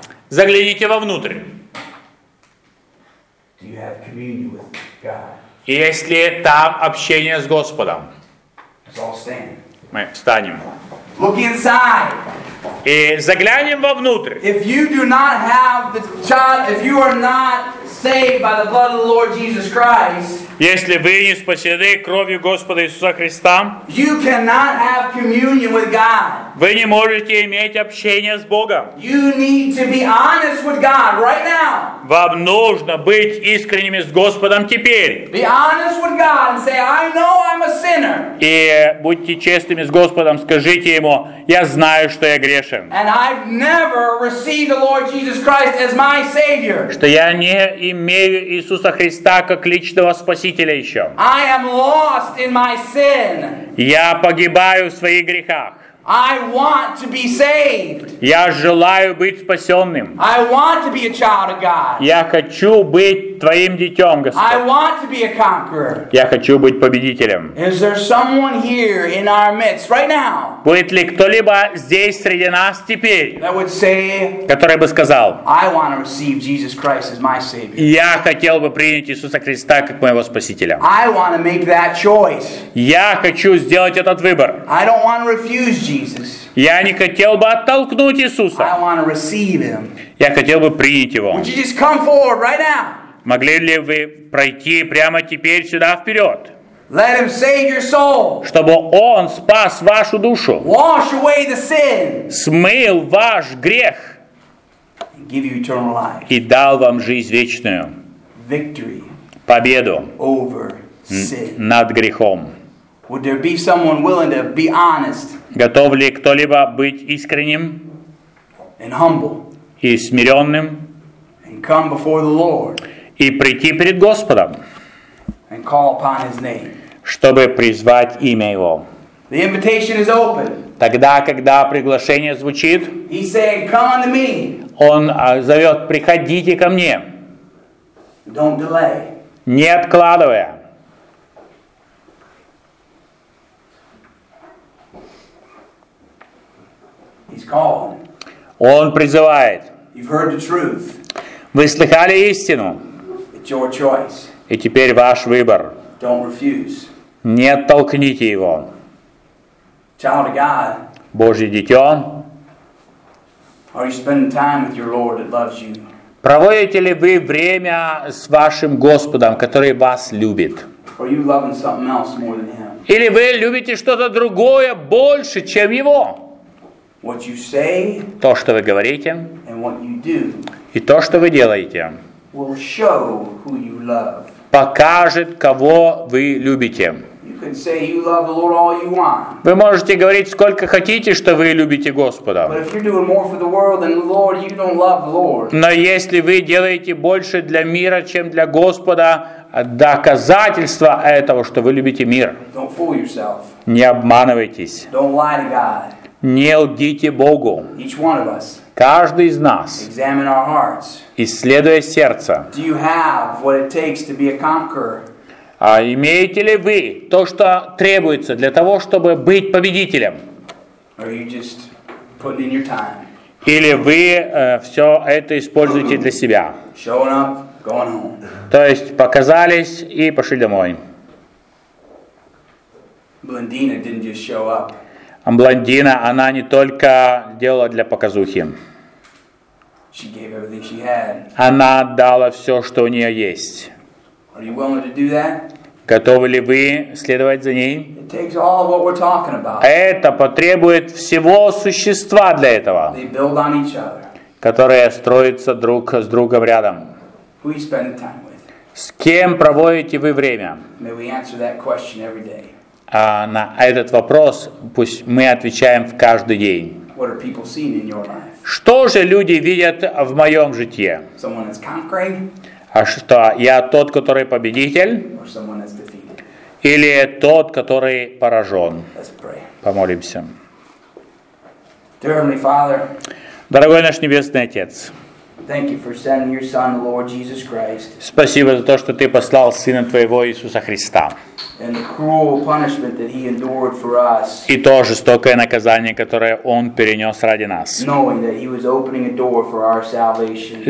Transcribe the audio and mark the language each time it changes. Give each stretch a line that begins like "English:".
Russian: Загляните вовнутрь. И есть ли там общение с Господом? Мы встанем.
English: Look inside.
Russian: И заглянем вовнутрь.
English: If you do not have the child, if you are not saved by the blood of the Lord Jesus Christ,
Russian: если вы не спасены кровью Господа Иисуса Христа,
English: you cannot have communion with God.
Russian: Вы не можете иметь общение с Богом.
English: You need to be honest with God right now.
Russian: Вам нужно быть искренними с Господом теперь.
English: Be honest with God and say, I know I'm a sinner.
Russian: И будьте честными с Господом, скажите Ему, я знаю, что я грешен.
English: And I've never received the Lord Jesus Christ as my Savior.
Russian: Что я не имею Иисуса Христа как личного Спасителя еще.
English: I am lost in my sin.
Russian: Я погибаю в своих грехах.
English: I want to be saved.
Russian: Я желаю быть спасенным.
English: I want to be a child of God.
Russian: Я хочу быть твоим дитем, Господь.
English: I want to be a conqueror.
Russian: Я хочу быть победителем.
English: Is there someone here in our midst right now?
Russian: Будет ли кто-либо здесь среди нас теперь,
English: that would say,
Russian: который бы сказал,
English: I want to receive Jesus Christ as my Savior.
Russian: Я хотел бы принять Иисуса Христа как моего спасителя.
English: I want to make that choice.
Russian: Я хочу сделать этот выбор.
English: I don't want to refuse Jesus.
Russian: Я не хотел бы оттолкнуть Иисуса.
English: I want to receive him.
Russian: Я хотел бы принять Его.
English: Would you just come forward right now?
Russian: Могли ли вы пройти прямо теперь сюда вперед?
English: Let him save your soul.
Russian: Чтобы он спас вашу душу.
English: Wash away the sin.
Russian: Смыл ваш грех.
English: And give you eternal life.
Russian: И дал вам жизнь вечную.
English: Victory.
Russian: Победу.
English: Over sin.
Russian: Над грехом.
English: Would there be someone willing to be honest?
Russian: Готов ли кто-либо быть искренним?
English: And humble.
Russian: И смиренным?
English: And come before the Lord.
Russian: И прийти перед Господом.
English: And call upon his name.
Russian: Чтобы призвать имя Его.
English: The invitation is open.
Russian: Тогда, когда приглашение звучит,
English: he said, come unto me.
Russian: Он зовет, приходите ко мне.
English: Don't delay.
Russian: Не откладывая.
English: He's calling.
Russian: Он призывает.
English: You've heard the truth.
Russian: Вы слыхали истину.
English: It's your choice.
Russian: И теперь ваш выбор.
English: Don't refuse.
Russian: Не оттолкните его.
English: Child of God.
Russian: Божье дитё.
English: Are you spending time with your Lord that loves you?
Russian: Проводите ли вы время с вашим Господом, который вас любит?
English: Are you loving something else more than him?
Russian: Или вы любите что-то другое больше, чем его?
English: What you say.
Russian: То, что вы говорите.
English: And what you do.
Russian: И то, что вы делаете.
English: Will show who you love.
Russian: Покажет, кого вы любите.
English: You can say you love the Lord all you want.
Russian: Вы можете говорить сколько хотите, что вы любите Господа.
English: But if you're doing more for the world than the Lord, you don't love the Lord.
Russian: Но если вы делаете больше для мира, чем для Господа, доказательство этого, что вы любите мир.
English: Don't fool yourself.
Russian: Не обманывайтесь.
English: Don't lie to God.
Russian: Не лгите Богу.
English: Each one of us.
Russian: Каждый из нас,
English: examine our hearts.
Russian: Исследуя сердце,
English: do you have what it takes to be a conqueror?
Russian: А имеете ли вы то, что требуется для того, чтобы быть победителем?
English: Or are you just putting in your time?
Russian: Или вы все это используете для себя?
English: Showing up, going home.
Russian: То есть показались и пошли домой.
English: Blondina didn't just show up.
Russian: Блондина, она не только делала для показухи.
English: She gave everything she had.
Russian: Она отдала все, что у нее есть.
English: Are you willing to do that?
Russian: Готовы ли вы следовать за ней?
English: It takes all of what we're talking about.
Russian: Это потребует всего существа для этого.
English: They build on each other.
Russian: Которые строятся друг с другом рядом.
English: Who are you spending time with?
Russian: С кем проводите вы время?
English: May we answer that question every day?
Russian: А на этот вопрос пусть мы отвечаем в каждый день.
English: What are people seeing in your life?
Russian: Что же люди видят в моем житье?
English: Someone is conquering?
Russian: А что, я тот, который победитель?
English: Or someone is defeated?
Russian: Или тот, который поражен?
English: Let's pray.
Russian: Помолимся.
English: Dear Heavenly Father,
Russian: дорогой наш Небесный Отец,
English: thank you for sending your son, the Lord Jesus Christ.
Russian: Спасибо за то, что ты послал сына твоего Иисуса Христа.
English: And the cruel punishment that he endured for us.
Russian: И то жестокое наказание, которое он перенес ради нас.
English: Knowing that he was opening a door for our salvation.